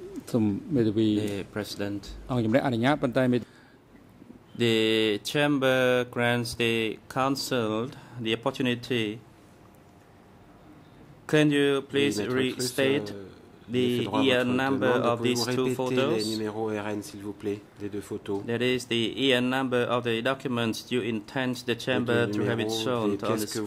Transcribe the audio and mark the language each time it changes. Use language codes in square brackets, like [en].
[en] President. The chamber grants the council the opportunity. Can you please restate the year number of these two photos? [fr] Les numéros RN, s'il vous plaît, des deux photos. [en] That is the year number of the documents you intend the chamber to have it shown on the screen.